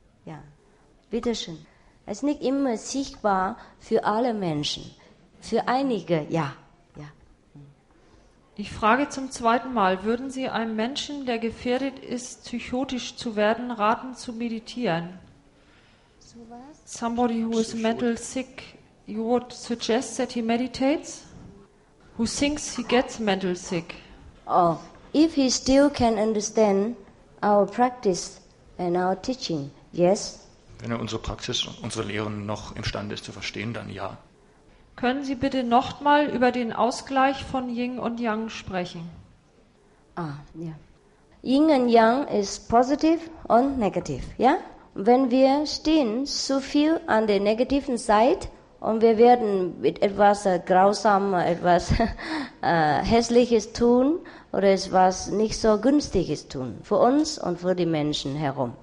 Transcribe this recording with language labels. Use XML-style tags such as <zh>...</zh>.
<de>Ja, bitteschön. Es ist nicht immer sichtbar für alle Menschen, für einige, ja. Ja. Ich frage zum zweiten Mal, würden Sie einem Menschen, der gefährdet ist, psychotisch zu werden, raten zu meditieren? So was?</de> <en>Somebody who is mental sick, you would suggest that he meditates? Who thinks he gets mental sick? Oh, if he still can understand our practice and our teaching, yes.</en> <de>Wenn er unsere Praxis, unsere Lehren noch imstande ist zu verstehen, dann ja. Können Sie bitte nochmal über den Ausgleich von Yin und Yang sprechen? Ah, ja. Yin und Yang ist positiv und negativ, ja? Wenn wir stehen so viel an der negativen Seite, und wir werden mit etwas grausam, etwas hässliches tun oder etwas nicht so günstiges tun, für uns und für die Menschen herum.</de>